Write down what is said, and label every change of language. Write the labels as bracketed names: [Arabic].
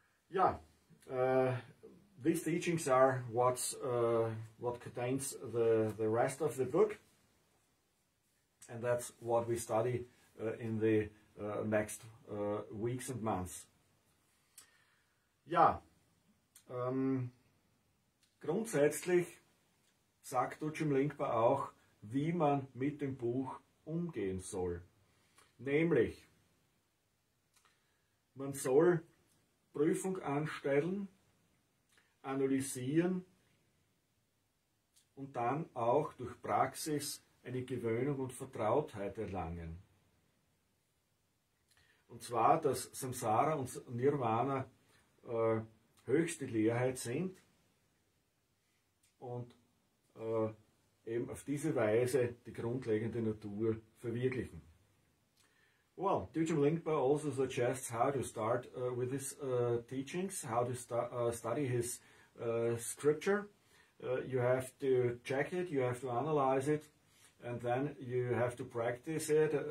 [English] Yeah, these teachings are what's what contains the rest of the book, and that's what we study in the next weeks and months. [German] Yeah, grundsätzlich sagt Dzogchen Lingpa auch, wie man mit dem Buch umgehen soll. Nämlich, man soll Prüfung anstellen, analysieren und dann auch durch Praxis eine Gewöhnung und Vertrautheit erlangen. Und zwar, dass Samsara und Nirvana höchste Leerheit sind und eben auf diese Weise die grundlegende Natur verwirklichen. [English] Well, Dzogchen Lingpa also suggests how to start with his teachings, how to study his scripture. You have to check it, you have to analyze it, and then you have to practice it.